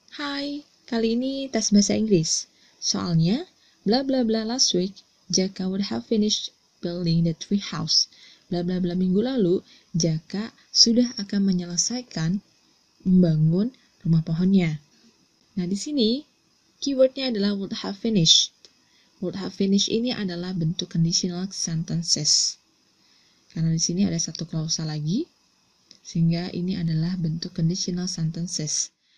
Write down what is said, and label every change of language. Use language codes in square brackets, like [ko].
[id] Hai, kali ini tes bahasa Inggris. [en] Soalnya, bla bla bla last week, Jaka would have finished building the tree house. [id] Bla bla bla minggu lalu, Jaka sudah akan menyelesaikan membangun rumah pohonnya. Nah, di sini, keywordnya adalah would have finished. Would have finished ini adalah bentuk conditional sentences. Karena di sini ada satu klausa lagi, sehingga ini adalah bentuk conditional sentences.